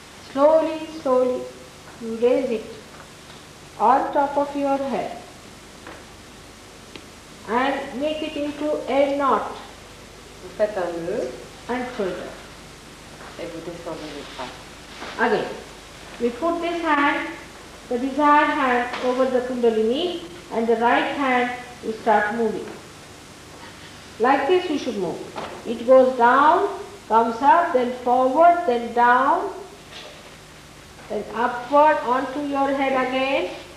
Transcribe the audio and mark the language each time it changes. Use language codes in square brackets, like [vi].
[en] Slowly, slowly you raise it on top of your head and make it into a knot. [fr] Vous faites un nœud [en] and further. [fr] et vous descendez les bras. [en] Again, we put this hand, the desired hand, over the Kundalini, and the right hand we start moving. Like this we should move. It goes down, comes up, then forward, then down, then upward onto your head again.